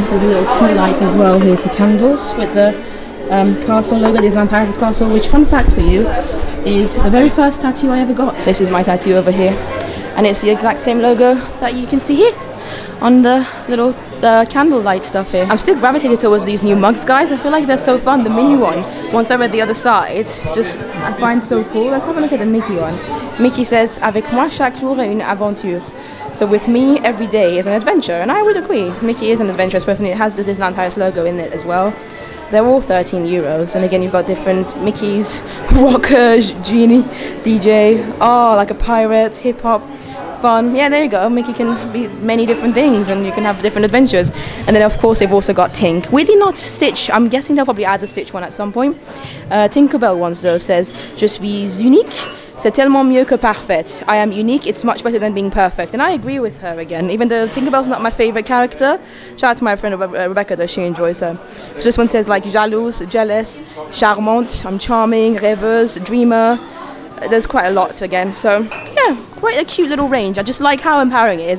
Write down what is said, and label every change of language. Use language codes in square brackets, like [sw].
[en] There's a little tea light as well here for candles with the castle logo, Disneyland Paris Castle, which, fun fact for you, is the very first tattoo I ever got. This is my tattoo over here. And it's the exact same logo that you can see here on the little candlelight stuff here. I'm still gravitated towards these new mugs, guys. I feel like they're so fun. The mini one, once I read the other side, just I find so cool. Let's have a look at the Mickey one. Mickey says, [fr] avec moi chaque jour est une aventure. [en] So with me, every day is an adventure. And I would agree. Mickey is an adventurous person. It has the Disneyland Paris logo in it as well. They're all 13 euros. And again, you've got different Mickeys, rocker, genie, DJ, oh, like a pirate, hip hop. Fun, yeah, there you go. Mickey can be many different things and you can have different adventures. And then of course they've also got Tink, really not Stitch. I'm guessing they'll probably add the Stitch one at some point. Tinkerbell ones though says, [fr] je suis unique, c'est tellement mieux que parfait. [en] I am unique, it's much better than being perfect. And I agree with her again, even though Tinkerbell's not my favorite character. Shout out to my friend Rebecca though, she enjoys her. So this one says like, jalouse, jealous, charmante, I'm charming, rêveuse, dreamer. There's quite a lot again, so yeah, quite a cute little range. I just like how empowering it is.